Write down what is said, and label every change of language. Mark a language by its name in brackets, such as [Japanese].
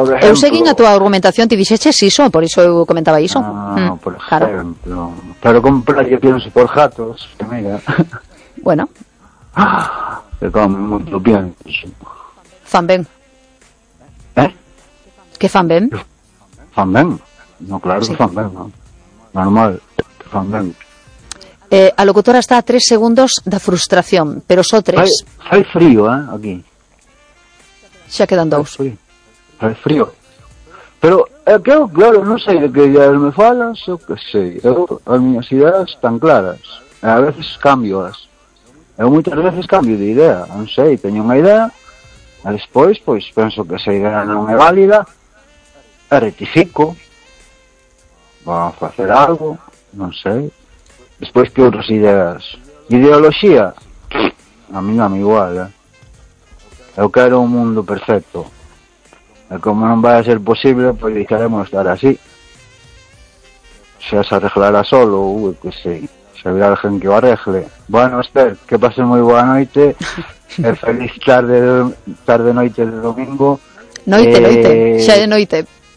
[Galician] eu seguín a túa argumentación, ti dixeches iso, por iso eu comentaba iso. [Spanish] Por ejemplo, claro. Pero comprar yo pienso por jatos, que mira. Bueno. [Galician] Que come moito pienso. Fan ben. ¿Eh? Que fan ben? Fan ben. [Spanish] No, claro, sí. [Galician] Fan ben, ¿no? Normal, que fan ben. A locutora está a 3 segundos da frustración, pero só 3. Fai frío, aquí. Xa quedan 2. Fai frío. Pero, claro, non sei de que ideas me falas, o que sei. As miñas ideas están claras. A veces cambio-as. Eu moitas veces cambio de idea. Non sei, teño unha idea, e despois, pois, penso que esa idea non é válida, e rectifico, vou facer algo, non sei. Despois, que outras ideas? Ideoloxía? A mí non é igual, Eu quero un mundo perfecto. E como non vai a ser posible, pois deixaremos estar así. Xa se arreglará solo, que sei. Se virá alguén que o arregle. Bueno, Esther, que pase moi boa noite. E feliz tarde-noite de domingo. Noite. Xa é noite.